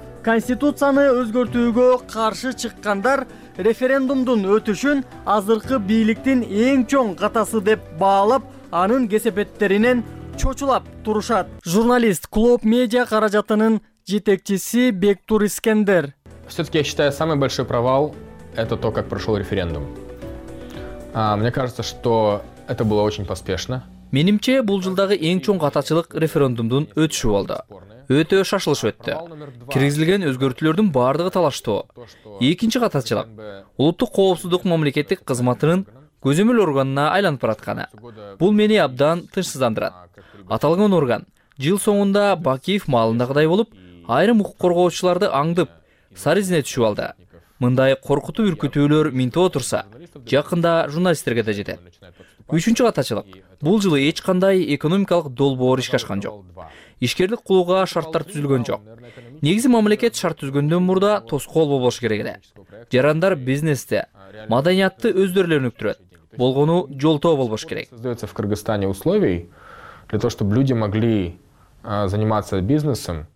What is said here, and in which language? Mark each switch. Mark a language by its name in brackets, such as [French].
[Kyrgyz] Конституцияны өзгөртүүгө каршы чыккандар референдумдун өтүшүн азыркы бийликтин эң чоң катасы деп баалап, анын кесепеттеринен чочулап турушат. Журналист Клоп Медиа каражатынын жетекчиси Бектур Искендер. [Russian] Все-таки я считаю самый большой провал это то, как прошел референдум. Мне кажется, что это было очень поспешно. [Kyrgyz] Менимче, бул жылдагы эң чоң катачылык референдумдун өтүшү болду. Өтө шашылыш өттү. Киргизилген өзгөртүүлөрдүн баардыгы талаштуу. Экинчи катачылык улуттук коопсуздук мамлекеттик кызматынын көзөмөл органына айланып баратканы. Бул мени абдан тынчсыздандырат. Аталган орган жыл соңунда Бакиев маалындагыдай болуп, айрым укук коргоочуларды аңдып, саризине түшүп алды. Мындай коркутуп үркүтүүлөр минте отурса, жакында журналисттерге да жетет. Үчүнчү катачылык. Бул жылы эч кандай экономикалык долбоор ишке ашкан жок. Ишкерлик кылууга шарттар түзүлгөн жок. Негизи мамлекет шарт түзгөндөн мурда тоскоол болбош керек эле. Жарандар бизнесте, маданиятты өздөрлөрүн өктүрөт. Болгону жолтоо болбош керек. [Russian] Создаётся в Кыргызстане условий для того, чтобы люди могли заниматься бизнесом.